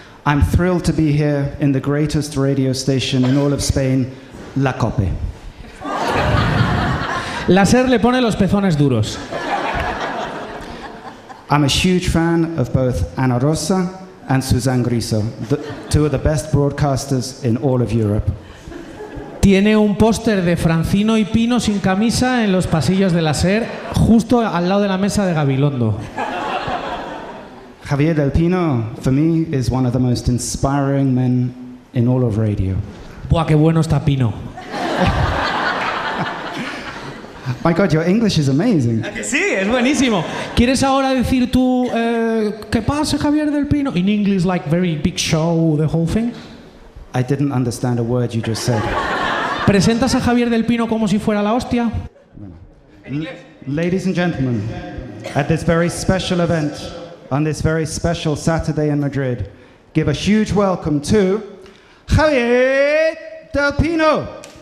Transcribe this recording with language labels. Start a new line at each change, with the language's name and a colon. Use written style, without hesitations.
English: I'm thrilled to be here in the greatest radio station in all of Spain, La Cope.
Spanish: La SER le pone los pezones duros.
English: I'm a huge fan of both Ana Rosa and Suzanne Griso, two of the best broadcasters in all of Europe.
Spanish: Tiene un póster de Francino y Pino sin camisa en los pasillos de la SER, justo al lado de la mesa de Gabilondo.
English: Javier del Pino, for me, is one of the most inspiring men in all of radio.
Spanish: Buah, qué bueno está Pino.
English: My God, your English is amazing.
Spanish: Sí, es buenísimo. ¿Quieres ahora decir tú qué pasa, Javier del Pino?
English: In English, like very big show, the whole thing. I didn't understand a word you just said.
Spanish: ¿Presentas a Javier del Pino como si fuera la hostia?
English: Ladies and gentlemen, at this very special event, on this very special Saturday in Madrid, give a huge welcome to Javier del Pino.